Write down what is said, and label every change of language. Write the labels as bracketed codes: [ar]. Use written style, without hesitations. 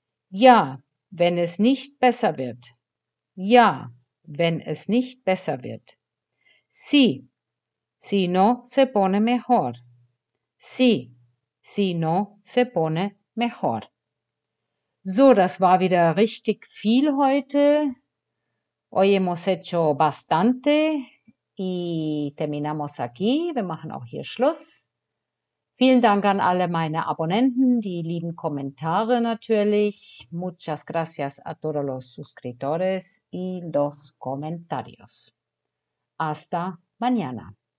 [de] Ja, wenn es nicht besser wird. Ja, wenn es nicht besser wird. [es] Sí, si no se pone mejor. Sí, si no se pone mejor. [de] So, das war wieder richtig viel heute. [es] Hoy hemos hecho bastante y terminamos aquí. [de] Wir machen auch hier Schluss. Vielen Dank an alle meine Abonnenten, die lieben Kommentare natürlich. [es] Muchas gracias a todos los suscriptores y los comentarios. Hasta mañana.